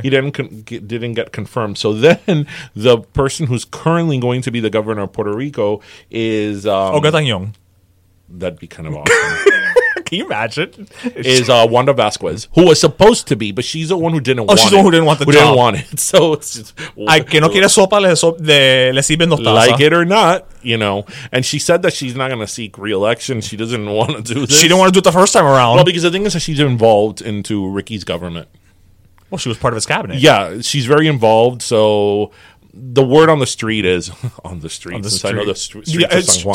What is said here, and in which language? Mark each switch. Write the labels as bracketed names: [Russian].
[English] He didn't get confirmed. So then the person who's currently going to be the governor of Puerto Rico is Ogatañón. That'd be kind of awesome. Can you imagine? Is Wanda Vasquez, who was supposed to be, but she's the one who didn't want it. Oh, she's the one who didn't want the job. Who didn't want it. So it's just... [Spanish] Ay, que no quiere sopa, le sirven dos tazas. [English] Like it or not, you know. And she said that she's not going to seek re-election. She doesn't want to do this. She didn't want to do it the first time around. Well, because the thing is that she's involved into Ricky's government. Well, she was part of his cabinet. Yeah, she's very involved, so... the word on the street is on the street. On the street. I know the streets of San Juan.